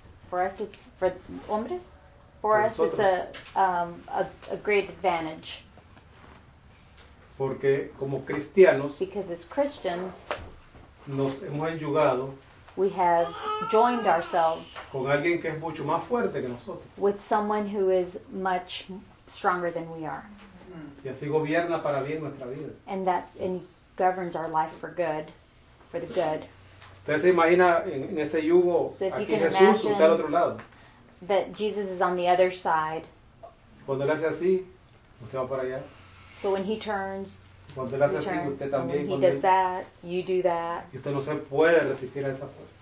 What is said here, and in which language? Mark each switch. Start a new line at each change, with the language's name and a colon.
English: For us, it's for hombres. For us,
Spanish: nosotros.
English: It's a great advantage.
Spanish: Porque como cristianos,
English: because as Christians,
Spanish: nos hemos enyugado.
English: We have joined ourselves
Spanish: con alguien que es mucho más fuerte que nosotros.
English: With someone who is much stronger than we are.
Spanish: Y así gobierna para bien nuestra vida.
English: And that governs our life for good, for the good.
Spanish: Usted se imagina en ese yugo, aquí Jesús, usted al otro lado.
English: That Jesus is on the other side.
Spanish: Cuando él hace así, usted va para allá.
English: So when he turns,
Spanish: cuando él hace así, usted también.
English: When he does that, you do that.
Spanish: Y usted no se puede resistir a esa fuerza.